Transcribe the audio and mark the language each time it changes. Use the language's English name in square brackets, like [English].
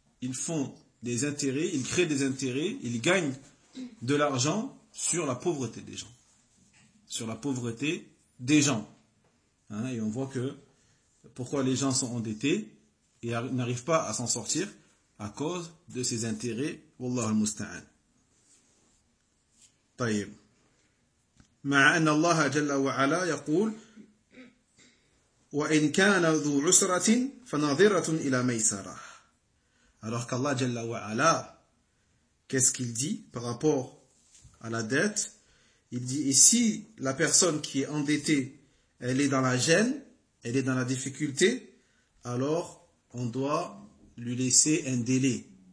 [French] ils font des intérêts, ils créent des intérêts, ils gagnent de l'argent sur la pauvreté des gens. Sur la pauvreté des gens. Hein, et on voit que pourquoi les gens sont endettés et n'arrivent pas à s'en sortir à cause de ces intérêts. [Arabic] Wallahu al-musta'an. Tayyib. مع أن الله جل وعلا يقول وإن كان ذو عسرة فنظرة إلى ميسرة. [French] Alors qu'Allah [Arabic] جل وعلا, [French] qu'est-ce qu'il dit par rapport à la dette? Il dit, et si la personne qui est endettée, elle est dans la gêne, elle est dans la difficulté, alors on doit lui laisser un délai.